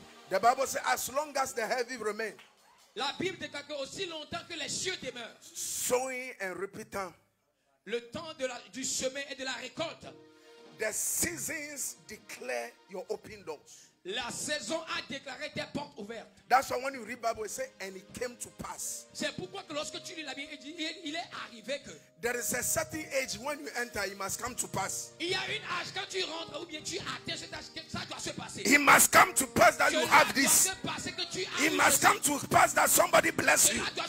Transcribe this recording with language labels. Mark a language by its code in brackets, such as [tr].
[en] The Bible says, as long as the heavy remain. [fr] La Bible dit que aussi longtemps que les cieux demeurent. [en] Sowing and reaping. [fr] Le temps de du semer et de la récolte. [en] The seasons declare your open doors. [fr] La saison a déclaré tes portes ouvertes. [en] That's why when you read Bible, it says, and it came to pass. [fr] C'est pourquoi que lorsque tu lis la Bible, il est arrivé que. [en] There is a certain age when you enter, it must come to pass. [fr] Il y a une âge quand tu rentres ou bien tu atteins cet âge, ça doit se passer. [en] It must come to pass that you have this. It must come to pass that somebody bless you.